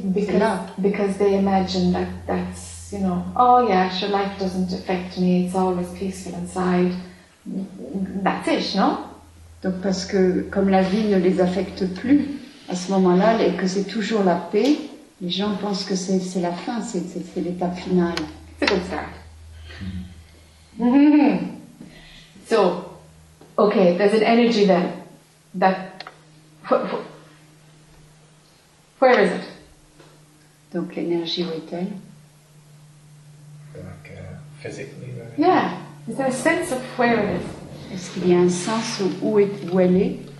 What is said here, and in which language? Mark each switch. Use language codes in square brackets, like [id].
[en] because, [fr] c'est là. [en] Because they imagine that's, you know, oh yeah, sure, life doesn't affect me, it's always peaceful inside. That's it, no? [fr] Donc parce que comme la vie ne les affecte plus à ce moment-là et que c'est toujours la paix, les gens pensent que c'est la fin, c'est l'étape finale. [en] It's a good start. So, okay, there's an energy then that... Where is it? [fr] Donc l'énergie où est-elle? [en] Like physically, right? Yeah. Is there a sense of where it is? [fr] Est-ce qu'il y a un sens où elle est?